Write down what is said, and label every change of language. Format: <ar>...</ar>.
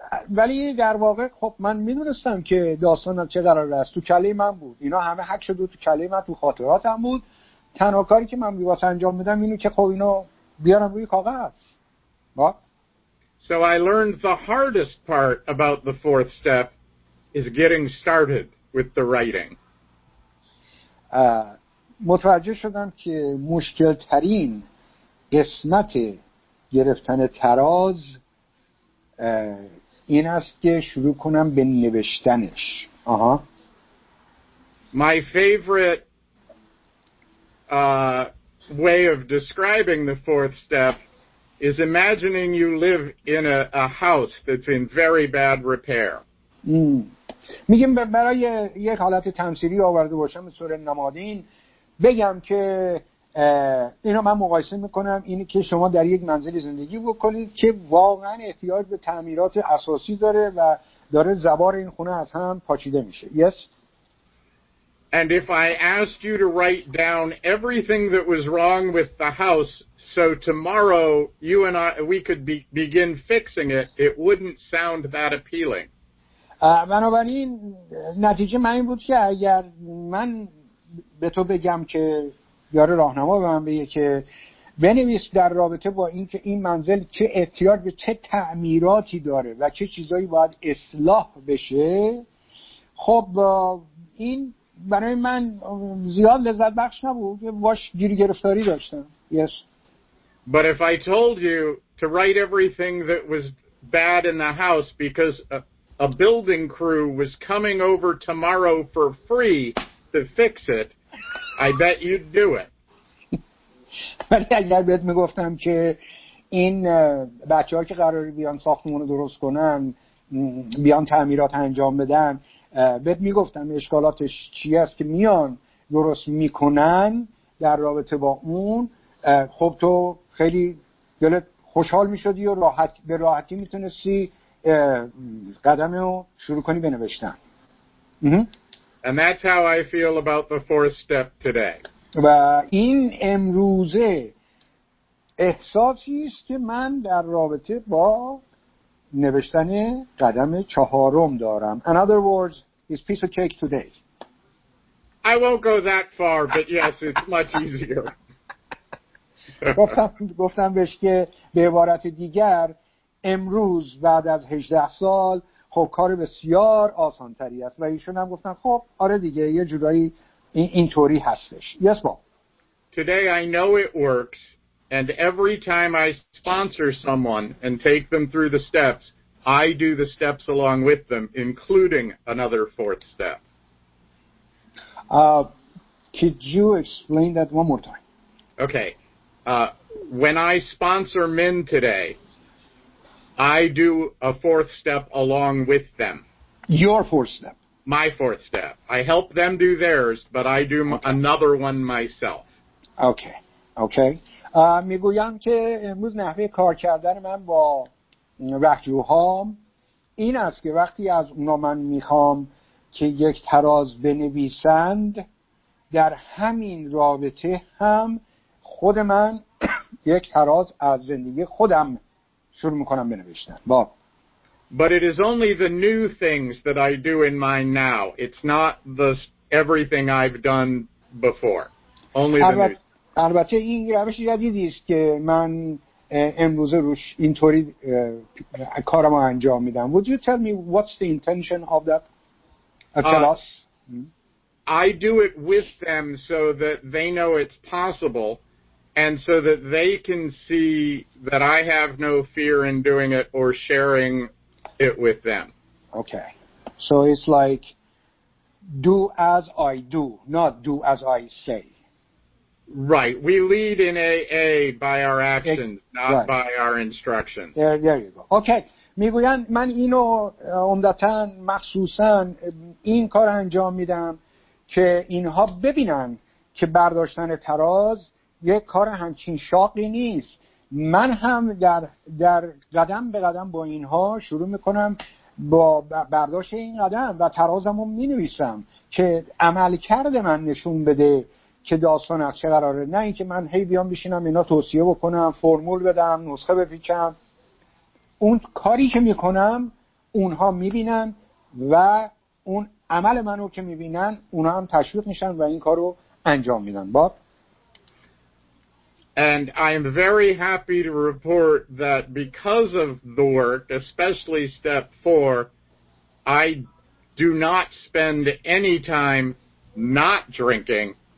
<fa>ولی در واقع خب من میدونستم که داستان چه قرار است. تو کله من بود. اینا همه حک شده تو کله من، تو خاطراتم بود. تنها کاری که من میباید انجام میدم اینو که خب اینو بیارم روی کاغذ.</fa> <en>So I learned the hardest part about the fourth step is getting started with the writing.</en> <fa>متوجه شدم که مشکل ترین قسمت گرفتن تراز این است که شروع کنم به نوشتنش.</fa> <en>My favorite way of describing the fourth step is imagining you live in a house that's in very bad repair.</en> <fa>میگم برای یک حالت تمثیلی آورده باشم به صورت نمادین بگم که اینو من مقایسه میکنم اینی که شما در یک منزلی زندگی بکنید که واقعا احتیاج به تعمیرات اساسی داره و داره زوار این خونه از هم پاچیده میشه.</fa> <en>Yes. And if I asked you to write down everything that was wrong with the house so tomorrow you and I we could begin fixing it, it wouldn't sound that appealing.</en> <fa>بنابراین نتیجه من این بود که اگر من به تو بگم که یار راهنما به من بگه که بنویس در رابطه با اینکه این منزل چه احتیاج به چه تعمیراتی داره و چه چیزایی باید اصلاح بشه، خب این برای من زیاد لذت بخش نبود، باش گیر گرفتاری داشتم.</fa> <en>Yes. But if I told you to write everything that was bad in the house because a building crew was coming over tomorrow for free to fix it, I bet you'd do it.</en> <fa>ولی اگر بهت میگفتم که این بچه‌ها که قراره بیان ساختمون رو درست کنن، بیان تعمیرات انجام بدن، بهت میگفتم اشکالاتش چی هست که میان درست میکنن در رابطه با اون، خب تو خیلی دلت خوشحال میشدی و راحت به راحتی میتونستی قدم رو شروع کنی بنوشتن.</fa> <en>And that's how I feel about the fourth step today.</en> <fa>و این امروزه احساسی است که من در رابطه با نوشتن قدم چهارم دارم.</fa> <en>In other words, it's piece of cake today. I won't go that far, but yes, it's much easier.</en> <fa>گفتم بهش که به عبارت دیگر امروز بعد از 18 سال خب کار بسیار آسان تری است. و ایشون هم گفتن خب آره دیگه یه جورایی این طوری هستش.</fa> <en>Yes, Bob. Today I know it works and every time I sponsor someone and take them through the steps, I do the steps along with them, including another fourth step. Could you explain that one more time? Okay. When I sponsor men today, I do a fourth step along with them. Your fourth step. My fourth step. I help them do theirs, but I do another one myself. Okay. Okay.</en> <fa>میگویم که امروز نحوه کار کردن من با رهجوهام این است که وقتی از اونا من میخوام که یک تراز بنویسند، در همین رابطه هم خود من یک تراز از زندگی خودم شروع میکنم بنویسند. باب.</fa> <en>But it is only the new things that I do in my now. It's not the everything I've done before. Only the new.</en> <fa>البته این روش جدیدی است که من امروز روش اینطوری کارم رو انجام میدم.</fa> <en>Would you tell me what's the intention of that? Tell us. I do it with them so that they know it's possible and so that they can see that I have no fear in doing it or sharing it with them. Okay. So it's like do as I do, not do as I say. Right. We lead in AA by our actions, not right. by our instructions. There you go. Okay.</en> <fa>میگویند من اینو عمدتاً مخصوصاً این کار انجام میدم که اینها ببینن که برداشتن تراز یک کار همچین شاقی نیست. من هم در قدم به قدم با اینها شروع میکنم با برداشت این قدم و ترازم رو مینویسم که عمل کرده من نشون بده که داستان از چه قراره، نه اینکه من هی بیام بشینم اینا توصیه بکنم، فرمول بدم، نسخه بپیچم. اون کاری که میکنم اونها میبینن و اون عمل منو که میبینن اونها هم تشویق میشن و این کارو انجام میدن. باب.</fa> <en>And I am very happy to report that because of the work, especially step 4, I do not spend any time not drinking.</en>